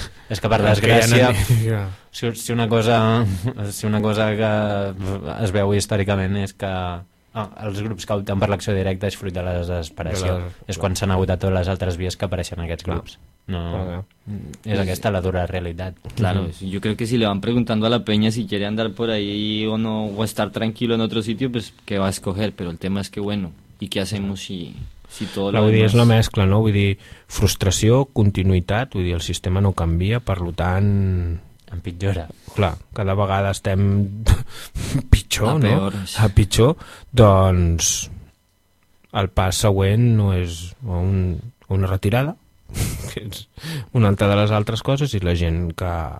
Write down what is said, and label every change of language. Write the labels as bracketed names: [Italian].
[Catalan] És que per desgràcia, si una cosa que es veu històricament és que els grups que opten per l'acció directa és fruit de la desesperació. És quan s'han agotat totes les altres vies que apareixen aquests grups. No, és aquesta la dura realitat. [Spanish] Claro, yo creo que si le van preguntando a la peña si quiere andar por ahí o no, o estar tranquilo en otro sitio, pues que va a escoger, pero el tema es que bueno, ¿y qué hacemos si todo lo demás...? [Catalan] Vull dir, és la mescla, no? Vull dir, frustració, continuïtat, vull dir, el sistema no canvia, per tant... Empitjora. Clar, cada vegada estem pitjor, a no? [Spanish] Peor, sí. [Catalan] A pitjor, doncs el pas següent no és una retirada, que és una altra de les altres coses, i la gent que